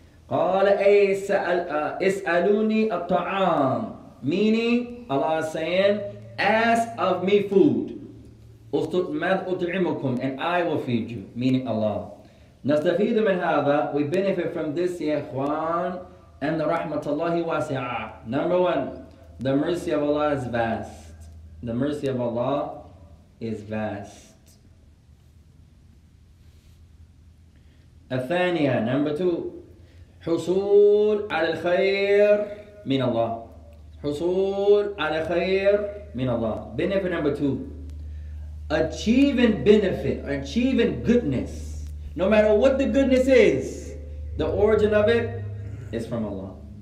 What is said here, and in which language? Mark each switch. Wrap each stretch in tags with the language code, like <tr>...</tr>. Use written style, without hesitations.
<ar>Is'aluni at-ta'am.</ar> <en>Meaning, Allah is saying, ask of me food. And I will feed you, meaning Allah.</en> <ar>نَسْتَفِيدُ مِنْ هَذَا.</ar> <en>We benefit from this,</en> <ar>ya ikhwan. And رَحْمَةَ اللَّهِ وَاسِعَةٌ.</ar> <en>Number one, the mercy of Allah is vast. The mercy of Allah is vast.</en> <ar>الثانية</ar> <en>number two</en> <ar>حصول على الخير من الله</ar> <en>حصول على خير من الله benefit number two achieving benefit achieving goodness no matter what the goodness is the origin of it is from Allah</en>